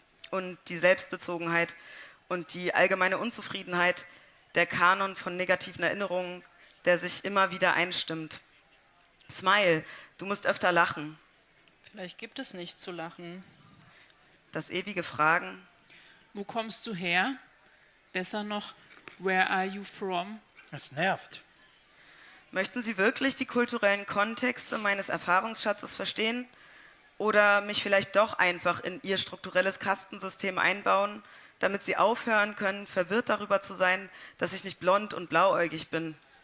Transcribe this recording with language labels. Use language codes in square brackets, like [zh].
[de] Und die Selbstbezogenheit und die allgemeine Unzufriedenheit, der Kanon von negativen Erinnerungen, der sich immer wieder einstimmt. Smile, du musst öfter lachen. Vielleicht gibt es nichts zu lachen. Das ewige Fragen. Wo kommst du her? Besser noch, [en] where are you from? [de] Es nervt. Möchten Sie wirklich die kulturellen Kontexte meines Erfahrungsschatzes verstehen? Oder mich vielleicht doch einfach in Ihr strukturelles Kastensystem einbauen, damit Sie aufhören können, verwirrt darüber zu sein, dass ich nicht blond und blauäugig bin.